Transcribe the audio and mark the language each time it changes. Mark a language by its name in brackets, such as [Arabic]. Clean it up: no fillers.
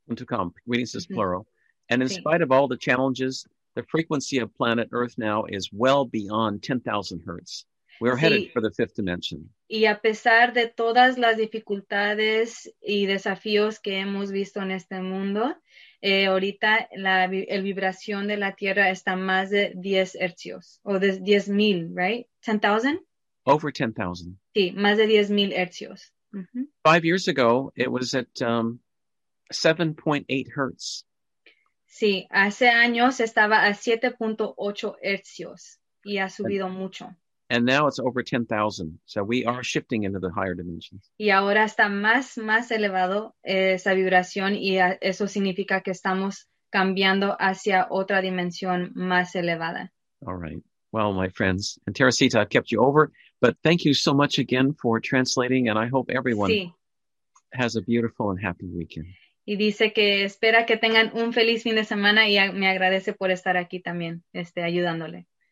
[English] .com. Readings is plural. And in spite of all the challenges, the frequency of planet Earth now is well beyond 10,000 hertz. We're headed for the fifth dimension. [Spanish] Y a pesar de todas las dificultades y desafíos que hemos visto en este mundo, ahorita el vibración de la Tierra está más de 10 hercios, o de 10,000, [English] right? 10,000? Over 10,000. [Spanish] Sí, más de 10,000 hercios. Mm-hmm. [English] 5 years ago, it was at 7.8 hertz. [Spanish] Sí, hace años estaba a 7.8 hercios y ha subido mucho. [English] And now it's over 10,000. So we are shifting into the higher dimensions. [Spanish] Y ahora está más elevado esa vibración y eso significa que estamos cambiando hacia otra dimensión más elevada. [English] All right. Well, my friends, and Teresita, I've kept you over, but thank you so much again for translating and I hope everyone has a beautiful and happy weekend. [Spanish] Y dice que espera que tengan un feliz fin de semana y me agradece por estar aquí también, ayudándole.